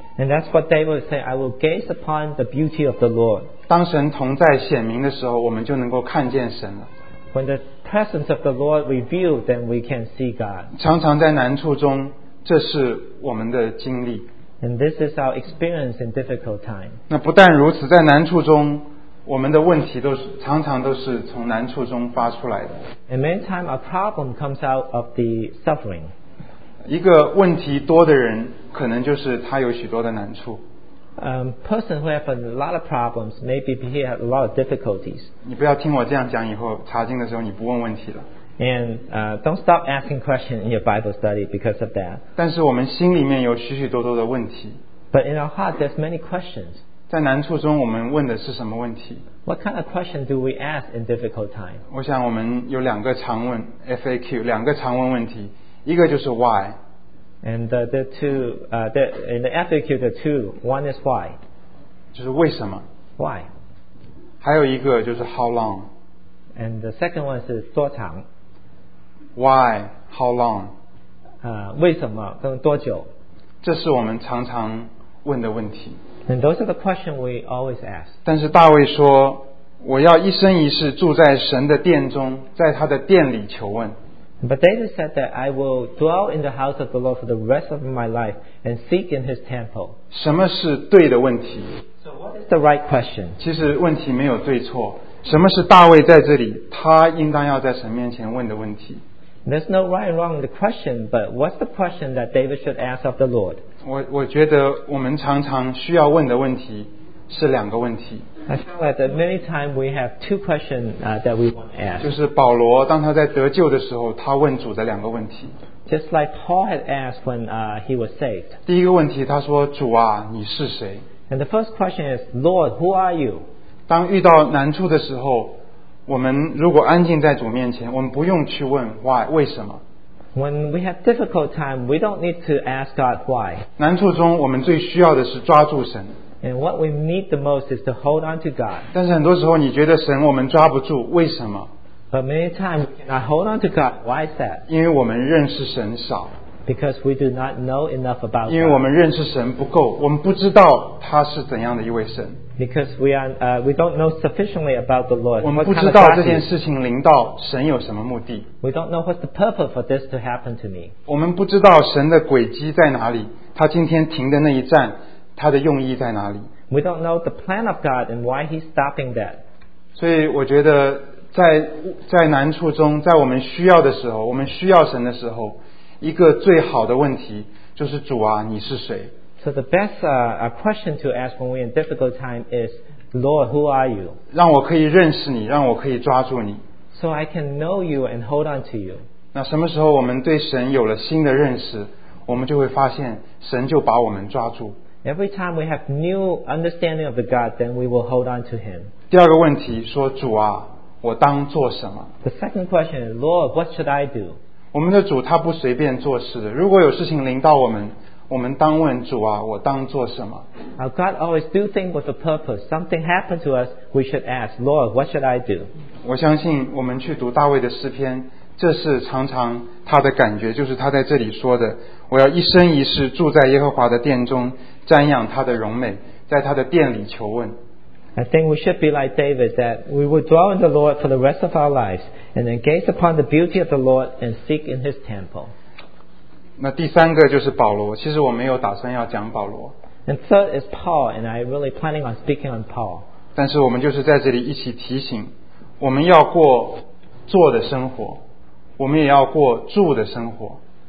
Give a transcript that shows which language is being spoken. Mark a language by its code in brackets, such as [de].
[en] And that's what David would say, I will gaze upon the beauty of the Lord. [zh] 当神同在显明的时候，我们就能够看见神了。 [en] When the presence of the Lord revealed, then we can see God. [zh] 常常在难处中，这是我们的经历。 [en] And this is our experience in difficult times. [zh] 那不但如此，在难处中，我们的问题都是常常都是从难处中发出来的。 [en] And many times our problem comes out of the suffering. [zh] 一个问题多的人，可能就是他有许多的难处。 [en] Person who have a lot of problems, maybe he have a lot of difficulties. [zh] 你不要听我这样讲，以后查经的时候你不问问题了。 [en] And don't stop asking questions in your Bible study because of that. [zh] 但是我们心里面有许许多多的问题。 [en] But in our heart, there's many questions. [zh] 在难处中，我们问的是什么问题？ [en] What kind of question do we ask in difficult times? [zh] 我想我们有两个常问 FAQ， 两个常问问题。一个就是 why， [en] and the two in the FAQ the two one is why， [zh] 就是为什么 [en] why， [zh] 还有一个就是 [en] how long， and the second one is [zh] 多长 [en] why how long， [zh] 为什么跟多久，这是我们常常问的问题。 [en] And those are the questions we always ask. [zh] 但是大卫说，我要一生一世住在神的殿中，在他的殿里求问。 [en] But David said that I will dwell in the house of the Lord for the rest of my life and seek in his temple. [zh] 什么是对的问题？ [en] So what is the right question? [zh] 其实问题没有对错，什么是大卫在这里他应当要在神面前问的问题。 [en] There's no right or wrong in the question, but what's the question that David should ask of the Lord? [zh] 我觉得我们常常需要问的问题是两个问题。 [en] I feel like that many times we have two questions that we want to ask. [zh] 就是保罗当他在得救的时候他问主的两个问题。 [en] Just like Paul had asked when he was saved. [zh] 第一个问题他说主啊你是谁。 [en] And the first question is, Lord, who are you? [zh] 当遇到难处的时候我们如果安静在主面前我们不用去问 why, 为什么。 [en] When we have difficult time, we don't need to ask God why. [zh] 难处中我们最需要的是抓住神。 [en] And what we need the most is to hold on to God. [zh] 但是很多时候你觉得神我们抓不住为什么。 [en] But many times we cannot hold on to God, why is that? [zh] 因为我们认识神少。 [en] Because we do not know enough about God. [zh] 因为我们认识神不够我们不知道他是怎样的一位神。 [en] Because we don't know sufficiently about the Lord. [zh] 我们不知道这件事情临到神有什么目的。 [en] We don't know what's the purpose for this to happen to me. [zh] 我们不知道神的轨迹在哪里他今天停的那一站他的用意在哪里。 [en] We don't know the plan of God and why he's stopping that. [zh] 所以我觉得在难处中在我们需要的时候我们需要神的时候一个最好的问题就是主啊你是谁。 [en] So the best question to ask when we're in difficult time is, Lord, who are you? [zh] 让我可以认识你，让我可以抓住你。 [en] So I can know you and hold on to you. [zh] 那什么时候我们对神有了新的认识，我们就会发现神就把我们抓住。 [en] Every time we have new understanding of the God, then we will hold on to him. [zh] 第二个问题说，主啊，我当做什么？ [en] The second question is, Lord, what should I do? [zh] 我们的主他不随便做事的，如果有事情临到我们我们当问主啊，我当做什么？ [en] Our God always do things with a purpose. Something happened to us, we should ask, Lord, what should I do? [zh] 我相信我们去读大卫的诗篇，这是常常他的感觉，就是他在这里说的：我要一生一世住在耶和华的殿中，瞻仰他的荣美，在他的殿里求问。 [en] I think we should be like David, that we would dwell in the Lord for the rest of our lives, and then gaze upon the beauty of the Lord and seek in His temple. [zh] 那第三个就是保罗，其实我没有打算要讲保罗。 [en] And third is Paul, and I'm really planning on speaking on Paul. [zh] 但是我们就是在这里一起提醒，我们要过做的生活，我们也要过住的生活。